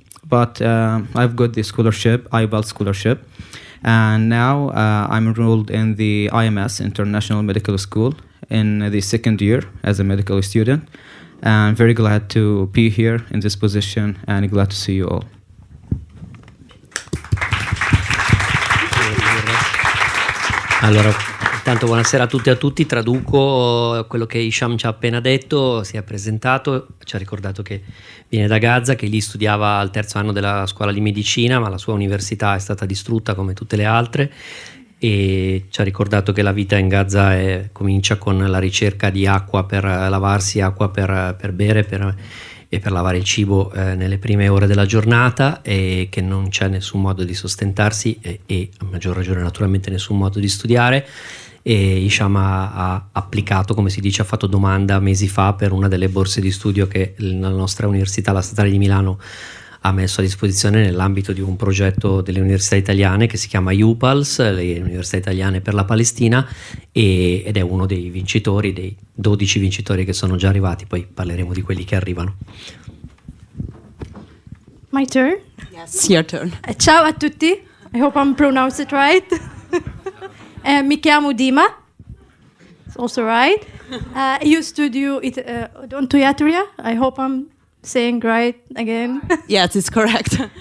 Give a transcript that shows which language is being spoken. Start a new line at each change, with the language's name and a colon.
English: But I've got the scholarship, IBAL scholarship, and now I'm enrolled in the IMS, International Medical School, in the second year as a medical student. And I'm very glad to be here in this position and glad to see you all.
Italian: Allora, intanto buonasera a tutti e a tutti. Traduco quello che Hisham ci ha appena detto, si è presentato, ci ha ricordato che viene da Gaza, che lì studiava al terzo anno della scuola di medicina, ma la sua università è stata distrutta come tutte le altre, e ci ha ricordato che la vita in Gaza comincia con la ricerca di acqua per lavarsi, acqua per bere e per lavare il cibo nelle prime ore della giornata, e che non c'è nessun modo di sostentarsi e a maggior ragione naturalmente nessun modo di studiare. E Hisham ha applicato, come si dice, ha fatto domanda mesi fa per una delle borse di studio che la nostra università, la Statale di Milano, ha messo a disposizione nell'ambito di un progetto delle università italiane che si chiama UPALS, le università italiane per la Palestina, ed è uno dei vincitori, dei 12 vincitori che sono già arrivati. Poi parleremo di quelli che arrivano.
English: My turn? Yes, your turn.
Italian: Ciao a tutti,
English: I hope I'm pronounced it right.
Italian: mi chiamo Dima,
English: it's also right.
Italian: Io studio odontoiatria,
English: I hope I'm saying right again. Yes, it's correct.